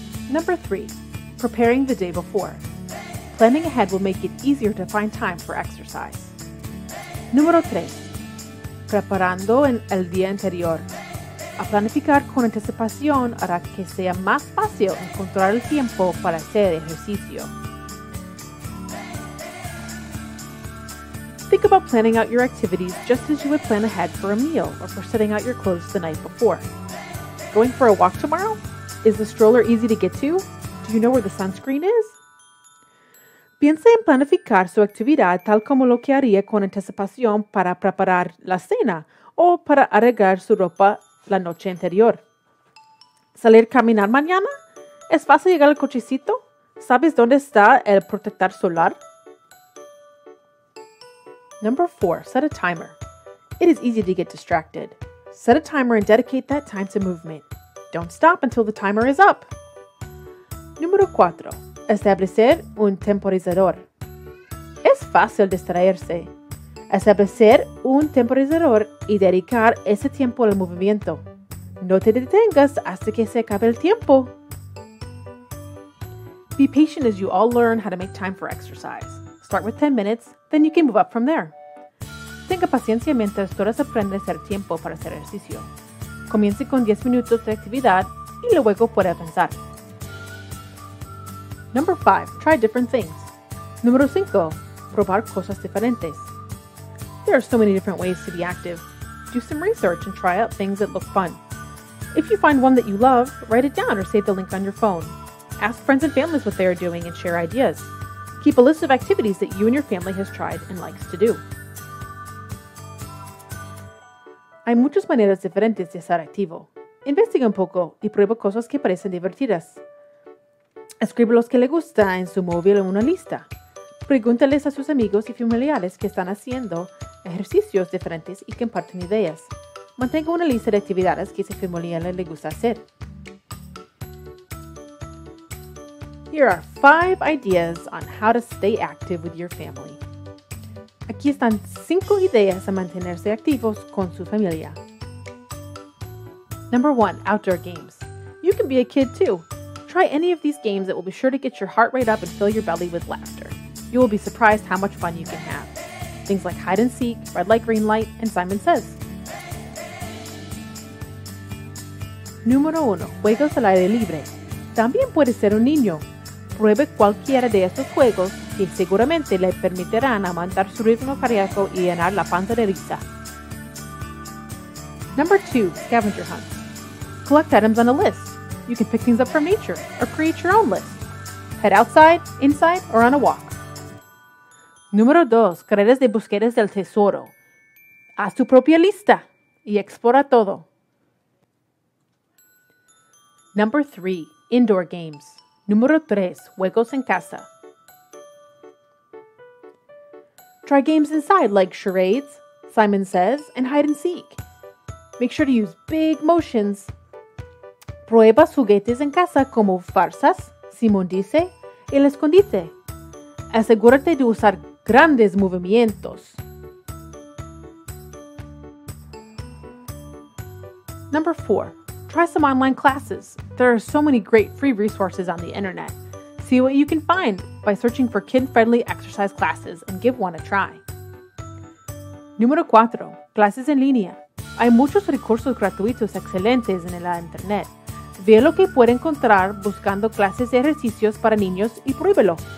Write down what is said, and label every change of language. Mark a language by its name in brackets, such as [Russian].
[English] Number 3. Preparing the day before. Planning ahead will make it easier to find time for exercise. [Spanish] Número 3. Preparando el día anterior. A planificar con anticipación hará que sea más fácil encontrar el tiempo para hacer ejercicio. [English] Think about planning out your activities just as you would plan ahead for a meal or for setting out your clothes the night before. Going for a walk tomorrow? Is the stroller easy to get to? Do you know where the sunscreen is? [Spanish] Piense en planificar su actividad tal como lo que haría con anticipación para preparar la cena o para arreglar su ropa la noche anterior. ¿Salir a caminar mañana? ¿Es fácil llegar al cochecito? ¿Sabes dónde está el protector solar? [English] Number 4. Set a timer. It is easy to get distracted. Set a timer and dedicate that time to movement. Don't stop until the timer is up. [Spanish] Número 4. Establecer un temporizador. Es fácil distraerse. Establecer un temporizador y dedicar ese tiempo al movimiento. No te detengas hasta que se acabe el tiempo. [English] Be patient as you all learn how to make time for exercise. Start with 10 minutes, then you can move up from there. [Spanish] Tenga paciencia mientras todos aprenden a hacer tiempo para hacer ejercicio. Comience con 10 minutos de actividad y luego puede avanzar. [English] Number 5. Try different things. [Spanish] Número 5. Probar cosas diferentes. [English] There are so many different ways to be active. Do some research and try out things that look fun. If you find one that you love, write it down or save the link on your phone. Ask friends and families what they are doing and share ideas. Keep a list of activities that you and your family has tried and likes to do. [Spanish] Hay muchas maneras diferentes de estar activo. Investiga un poco y prueba cosas que parecen divertidas. Escribe los que le gusta en su móvil en una lista. Pregúntales a sus amigos y familiares que están haciendo ejercicios diferentes y que comparten ideas. Mantenga una lista de actividades que su familia le gusta hacer. [English] Here are 5 ideas on how to stay active with your family. [Spanish] Aquí están 5 ideas a mantenerse activos con su familia. [English] Number 1. Outdoor games. You can be a kid too. Try any of these games that will be sure to get your heart rate up and fill your belly with laughter. You will be surprised how much fun you can have. Things like hide and seek, red light, green light, and Simon Says. [Spanish] Número 1. Juegos al aire libre. También puede ser un niño. Pruebe cualquiera de estos juegos que seguramente le permitirán aumentar su ritmo cardíaco y llenar la panza de risa. [English] Number 2. Scavenger hunt. Collect items on a list. You can pick things up from nature or create your own list. Head outside, inside, or on a walk. [Spanish] Número 2. Carreras de búsquedas del tesoro. Haz tu propia lista. y explora todo. [English] Number 3. Indoor games. [Spanish] Número 3. Juegos en casa. [English] Try games inside like charades, Simon says, and hide and seek. Make sure to use big motions. [Spanish] Prueba juguetes en casa como farsas, Simon dice, y el escondite. Asegúrate de usar grandes movimientos. [English] Number 4. Try some online classes. There are so many great free resources on the internet. See what you can find by searching for kid-friendly exercise classes and give one a try. [Spanish] Número 4. Clases en línea. Hay muchos recursos gratuitos excelentes en la internet. Ve lo que puede encontrar buscando clases de ejercicios para niños y pruébelo.